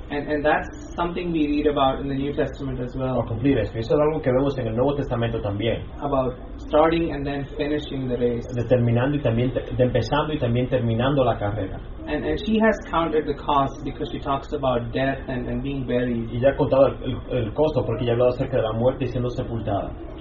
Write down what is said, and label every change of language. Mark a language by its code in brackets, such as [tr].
[en] And that's something we read about in the New Testament as well. [es] A cumplir esto. Eso es algo que vemos en el Nuevo Testamento también. [en] About starting and then finishing the race. [es] Determinando y también empezando y también terminando la carrera. [en] And she has counted the cost because she talks about death and being buried. [es] Y ya ha contado el costo porque ya ha hablado acerca de la muerte y siendo sepultada.